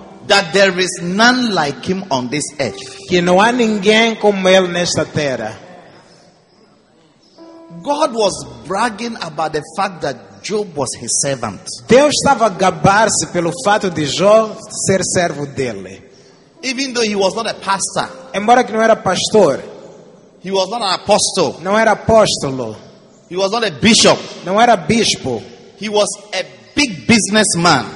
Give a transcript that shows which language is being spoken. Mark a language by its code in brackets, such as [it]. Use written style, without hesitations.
[en] That there is none like him on this earth. [pt] Que não há ninguém como ele nesta terra. [en] God was bragging about the fact that Job was his servant. [pt] Deus estava a gabar-se pelo fato de Jó ser servo dele. [en] Even though he was not a pastor. [pt] Embora que não era pastor. [en] He was not an apostle. [pt] Não era apóstolo. [en] He was not a bishop. [pt] Não era bispo. [en] He was a big businessman.